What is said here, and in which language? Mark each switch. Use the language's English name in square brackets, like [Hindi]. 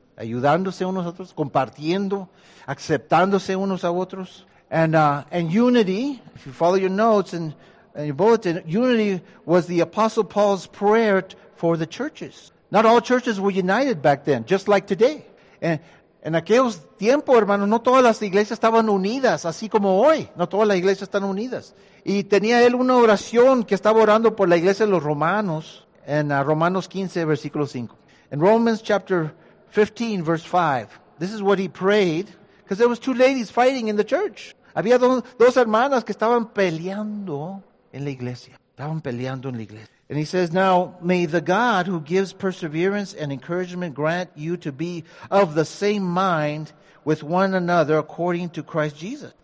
[Spanish] Ayudándose unos a otros, compartiendo, aceptándose unos a otros. [English] And unity, if you follow your notes and your bulletin, unity was the Apostle Paul's prayer for the churches. Not all churches were united back then, just like today. [Spanish] En aquellos tiempos, hermano, no todas las iglesias estaban unidas, así como hoy. No todas las iglesias están unidas. Y tenía él una oración que estaba orando por la iglesia de los romanos, en Romanos 15, versículo 5. [English] En Romans chapter 15, verse 5. This is what he prayed, because there was two ladies fighting in the church. [Spanish] Había dos hermanas que estaban peleando en la iglesia. Estaban peleando en la iglesia. [English] And he says, now, may the God who gives perseverance and encouragement grant you to be of the same mind with one another according to Christ Jesus.